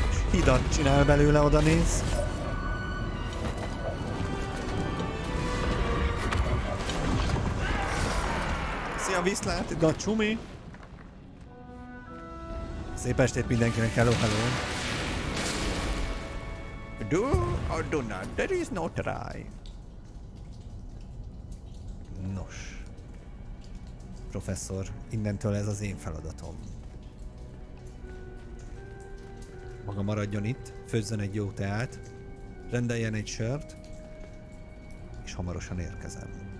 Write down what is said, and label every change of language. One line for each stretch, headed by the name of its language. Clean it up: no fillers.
Hungarian: Hidat csinál belőle, oda néz. Szia, viszlát, itt a csumi. Szép estét mindenkinek, hello, hello.
English: Do or do not, there is no try.
Hungarian: Nos. Professzor, innentől ez az én feladatom. Maga maradjon itt, főzzön egy jó teát, rendeljen egy sört, és hamarosan érkezem.